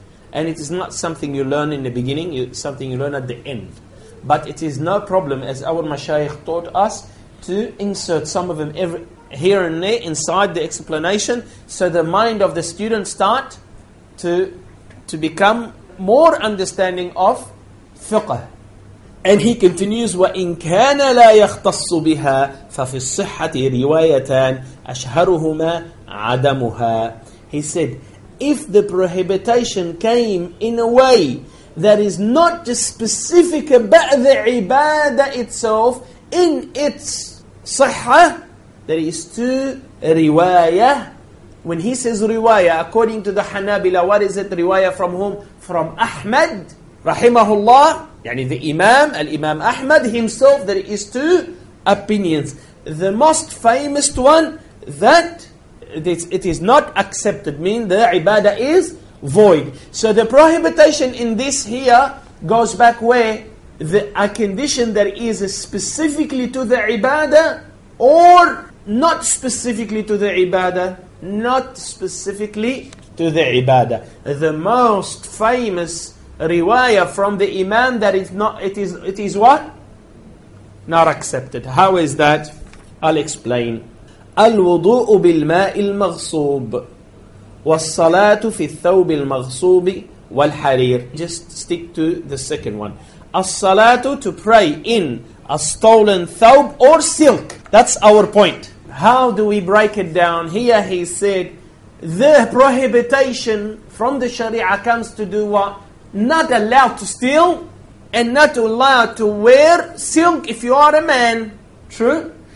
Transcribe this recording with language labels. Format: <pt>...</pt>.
<en>And it is not something you learn in the beginning, it's something you learn at the end. But it is no problem, as our mashayikh taught us, to insert some of them every here and there inside the explanation, so the mind of the student start to become more understanding of fiqh. And he continues,</en> <ar>وَإِنْ كَانَ لَا يَخْتَصُّ بِهَا فَفِي الصِّحَّةِ رِوَايَتَانْ أَشْهَرُهُمَا عَدَمُهَا.</ar> <en>He said, if the prohibition came in a way that is not just specific about the ibadah itself, in its sihah, there is two riwayah. When he says riwayah, according to the Hanabila, what is it? Riwayah from whom? From Ahmad, rahimahullah, yani the Imam, Al-Imam Ahmad himself, there is two opinions. The most famous one, that it is not accepted, mean the ibadah is void. So the prohibition in this here goes back where? A condition that is specifically to the ibadah, or not specifically to the ibadah, not specifically to the ibadah. The most famous riwayah from the imam that is not, it is what? Not accepted. How is that? I'll explain.</en> <ar>الوضوء بالماء المغصوب والصلاة في الثوب المغصوب والحرير.</ar> <en>Just stick to the second one. الصلاة, to pray in a stolen thawb or silk. That's our point. How do we break it down? Here he said, the prohibition from the Sharia comes to do what? Not allowed to steal, and not allowed to wear silk if you are a man. True?</en>